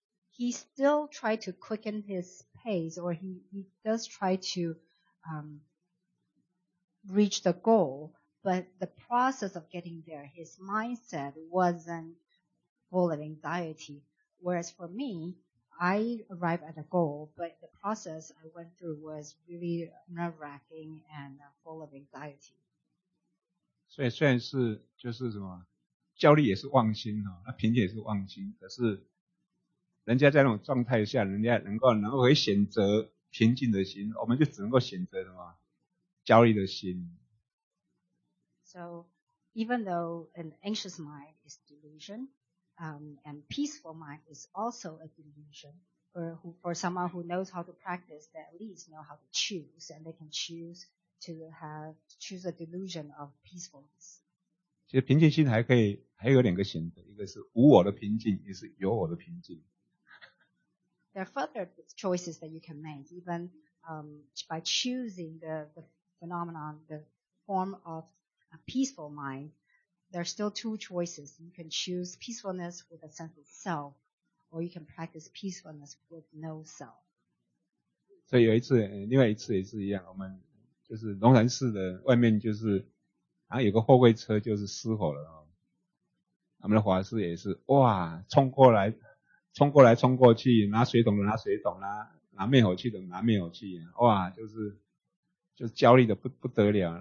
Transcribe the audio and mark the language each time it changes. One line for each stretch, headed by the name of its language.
English: He still tried to quicken his pace, or he does try to reach the goal, but the process of getting there, his mindset wasn't full of anxiety. Whereas for me, I arrived at a goal, but the process I went through was really nerve-wracking and full of anxiety.
Chinese: 所以虽然是就是什么焦虑也是妄心齁、哦、那平静也是妄心，可是人家在那种状态下，人家能够会选择平静的心，我们就只能够选择什么焦虑的心。
English: So, even though an anxious mind is delusion, and peaceful mind is also a delusion, for someone who knows how to practice, they at least know how to choose, and they can choose a delusion of peacefulness.
Chinese: 其实平静心还有两个选择，一个是无我的平静，一个是有我的平静。
English: There are further choices that you can make, even by choosing the phenomenon, the form of a peaceful mind. There are still two choices. You can choose peacefulness with a sense of self, or you can practice peacefulness with no self.
Chinese: 所以有一次，另外一次也是一样，我们。就是龙潭寺的外面就是好像有个货柜车就是失火了、哦、我们的法师也是哇冲过来冲过来冲过去，拿水桶的拿水桶啦，拿灭火器的拿灭火器，哇，就是焦虑的不得了。